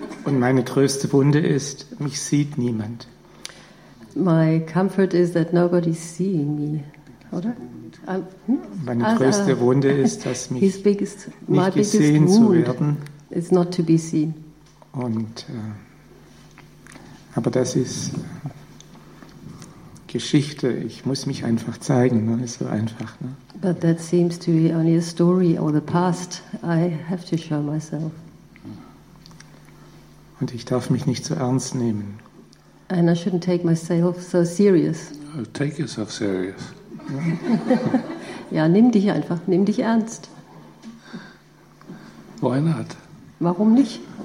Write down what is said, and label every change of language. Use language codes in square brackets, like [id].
[de] Meine größte Wunde ist, mich sieht niemand. [en] My comfort is that nobody's seeing me, oder? [de] Meine größte Wunde ist, dass mich nicht gesehen zu werden. [en] Is not to be seen. [de] Und aber das ist Geschichte. Ich muss mich einfach zeigen. Ne? Ist so einfach. Ne? [en] But that seems to be only a story or the past. I have to show myself. [de] Und ich darf mich nicht so ernst nehmen. [en] And I shouldn't take myself so serious. Oh, take yourself serious. [de] Ja, nimm dich einfach, nimm dich ernst. [en] Why not? [de] Warum nicht?